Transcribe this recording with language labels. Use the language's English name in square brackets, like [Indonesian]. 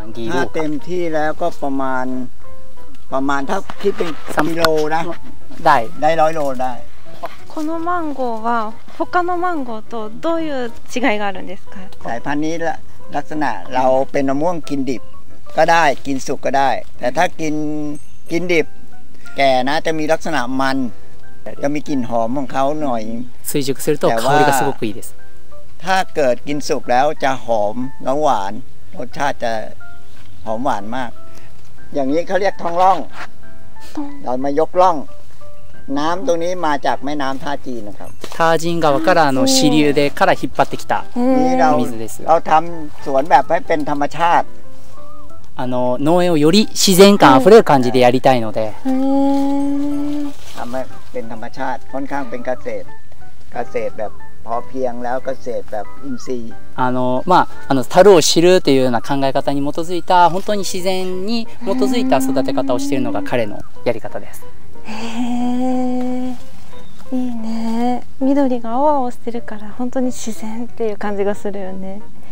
[Thai] ถ้าเต็มที่แล้วก็ประมาณถ้าคิดเป็นกิโลนะ ได้ ร้อยโลได้ [Japanese] このマンゴーは他のマンゴーとどういう違いがあるんですか。 [Thai] สายพันธุ์นี้ลักษณะเราเป็นมะม่วงกินดิบก็ได้กินสุกก็ได้แต่ถ้ากินดิบแก่นะจะมีลักษณะมันจะมีกลิ่นหอมของเขาหน่อย [Japanese] 追熟すると [Thai] แต่ว่า ถ้าเกิดกินสุกแล้วจะหอมแล้วหวานรสชาติจะหอมหวานมากอย่างนี้เขาเรียกทองร่องเรามายกร่องน้ำตรงนี้มาจากแม่น้ำท่าจีนนะครับ [Japanese] ท่าจีน川からの支流でから引っ張ってきた水です。 [Thai] เราทำสวนแบบให้เป็นธรรมชาติ [Japanese] 農園をより自然感あふれる感じでやりたいので、 [Thai] ทำให้เป็นธรรมชาติค่อนข้างเป็นเกษตรแบบพอเพียงแล้วเกษตรแบบอินทรีย์ [Japanese] 樽を知るというような考え方に基づいた本当に自然に基づいた育て方をしているのが彼のやり方です。へえ、いいね。緑が青々してるから本当に自然っていう感じがするよね。